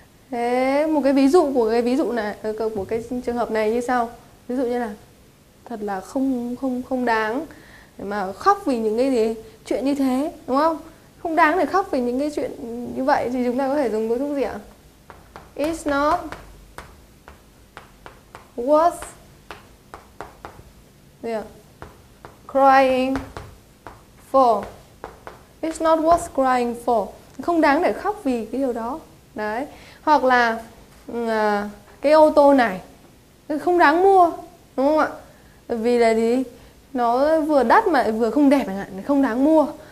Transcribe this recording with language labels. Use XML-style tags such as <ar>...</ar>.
<vi>Thế một cái ví dụ của cái ví dụ này của cái trường hợp này như sau. Ví dụ như là thật là không không không đáng để mà khóc vì những cái gì chuyện như thế, đúng không? Không đáng để khóc vì những cái chuyện như vậy thì chúng ta có thể dùng cấu trúc gì ạ?</vi> <en>It's not worth crying for. It's not worth crying for.</en> <vi>Không đáng để khóc vì cái điều đó. Đấy. Hoặc là cái ô tô này không đáng mua, đúng không ạ? Vì là gì? Nó vừa đắt mà vừa không đẹp chẳng hạn, không đáng mua.</vi>